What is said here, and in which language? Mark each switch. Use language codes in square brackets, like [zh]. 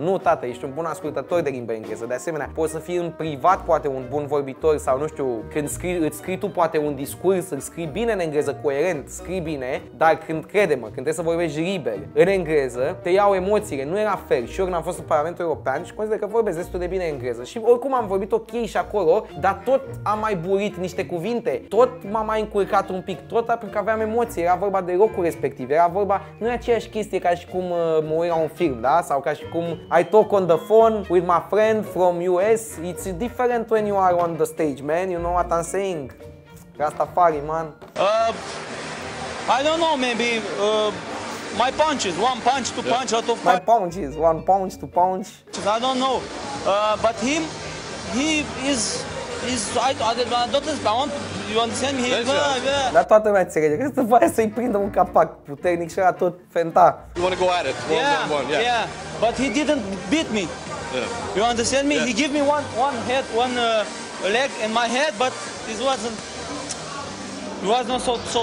[ro] Nu, tată, ești un bun ascultător de limba engleză. De asemenea, poți să fii în privat poate un bun vorbitor sau, nu știu, când scrii tu poate un discurs, îl scrii bine în engleză, coerent, scrii bine, dar când, crede-mă, când trebuie să vorbești liber în engleză, te iau emoțiile, nu era fel. Și eu când am fost în Parlamentul European și consider că vorbesc destul de bine engleză. Și oricum am vorbit ok și acolo, dar tot am mai burit niște cuvinte, tot m-am mai încurcat un pic, tot pentru că aveam emoții, era vorba de locul respectiv, era vorba, nu e aceeași chestie ca și cum mă uit la un film, da? Sau ca și cum [en] I talk on the phone with my friend from US, it's different when you are on the stage, man, you know what I'm saying? Rastafari, man. I don't know, maybe my punches, one punch, two punch, out of my punches, one punch, two punch. I don't know, but he is, I don't understand him. [ro] Dar toată lumea înțelege, că se pare să-i prindă un capac puternic și era tot fenta. [en] You want to go at it, one. Yeah, but he didn't beat me. Yeah. You understand me? Yeah. He gave me one leg in my head, but it was not so.